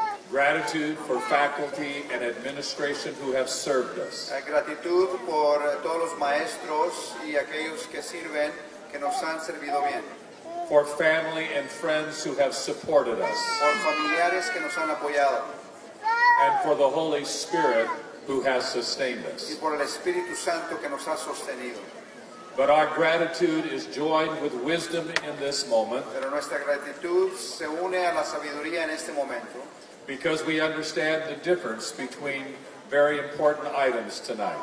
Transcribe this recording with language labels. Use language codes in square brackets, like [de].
[en] Gratitude for faculty and administration who have served us. [es] Gratitud por todos los maestros y aquellos que sirven, que nos han servido bien. [en] For family and friends who have supported us. [es] Por familiares que nos han apoyado. [en] And for the Holy Spirit who has sustained us. [es] Y por el Espíritu Santo que nos ha sostenido. [en] But our gratitude is joined with wisdom in this moment. [es] Pero nuestra gratitud se une a la sabiduría en este momento. [en] Because we understand the difference between very important items tonight.